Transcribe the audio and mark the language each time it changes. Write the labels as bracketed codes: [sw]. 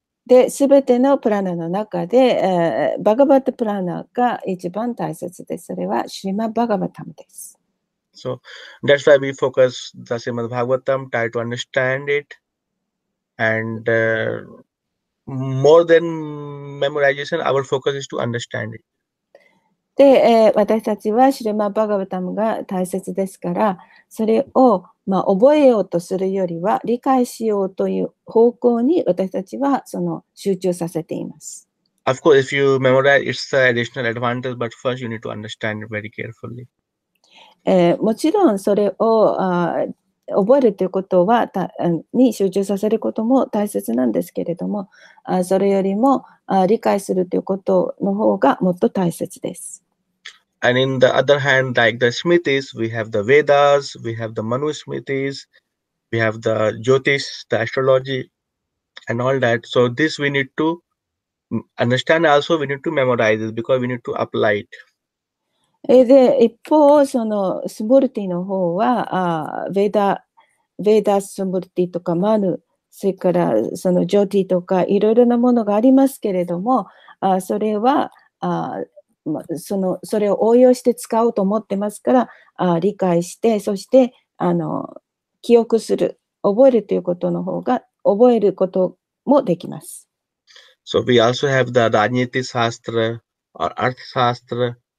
[ja] で、すべてのプラナの中で、Bhagavat Purana が一番大切です。それは Srimad Bhagavatam です。 [en] So that's why we focus the Srimad Bhagavatam, try to understand it. And more than memorization, our focus is to understand it. [ja] で、私たちはシュリマッバガヴァタムが大切ですから、それを、まあ、覚えようとするよりは、理解しようという方向に私たちはその集中させています。 [en] Of course, if you memorize, it's an additional advantage, but first you need to understand it very carefully. [ja] もちろんそれを覚えるということはたに集中させることも大切なんですけれども、それよりも理解するということの方がもっと大切です。 [en] And in the other hand, like the Smritis, we have the Vedas, we have the Manu Smritis, we have the Jyotish, the astrology, and all that. So this we need to understand also, we need to memorize this because we need to apply it. [ja] で一方そのスムルティの方はヴェダスムルティとかマヌそれからそのジョティとかいろいろなものがありますけれどもそれはそのそれを応用して使おうと思ってますから理解してそして記憶する覚えるということの方が覚えることもできます。 [en] So we also have the Rajniti Shastra or Arth Shastra.